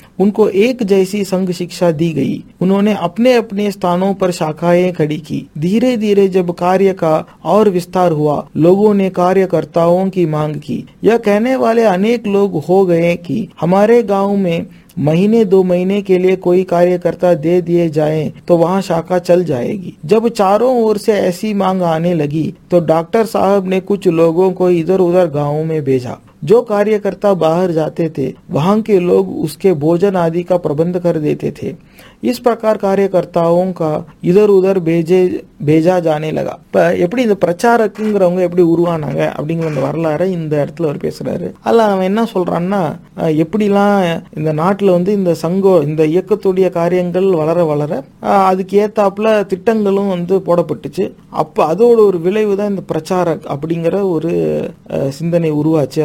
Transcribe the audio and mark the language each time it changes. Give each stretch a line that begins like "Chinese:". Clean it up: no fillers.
Hindi: उनको एक जैसी संघ शिक्षा दी गई, उन्होंने अपने अपने स्थानों पर शाखाएं खड़ी की, धीरे धीरे जब कार्य का और विस्तार हुआ लोगों ने कार्यकर्ताओं की मांग की, यह कहने वाले अनेक लोग हो गए कि हमारे गांव में महीने दो महीने के लिए कोई कार्यकर्ता दे दिए जाएं तो वहां शाखा चल जाएगी। जब चारों ओर से ऐसी मांग आने लगी तो डॉक्टर साहब ने कुछ लोगों को इधर उधर गाँव में भेजा, जो कार्यकर्ता बाहर जाते थे वहां के लोग उसके भोजन आदि का प्रबंध कर देते थे। இஸ் பிரகார காரியகர்த்தாவும் இதர் உதர் பேஜா ஜானே லகா.
Tamil: இப்ப எப்படி இந்த பிரச்சாரக்குங்கிறவங்க எப்படி உருவானாங்க அப்படிங்கிற அந்த வரலாறு இந்த இடத்துல அவர் பேசுறாரு. அதுல அவன் என்ன சொல்றான்னா, எப்படிலாம் இந்த நாட்டுல வந்து இந்த சங்கோ இந்த இயக்கத்துடைய காரியங்கள் வளர வளர அதுக்கு ஏத்தாப்புல திட்டங்களும் வந்து போடப்பட்டுச்சு, அப்ப அதோட ஒரு விளைவு தான் இந்த பிரச்சாரக் அப்படிங்கிற ஒரு சிந்தனை உருவாச்சு.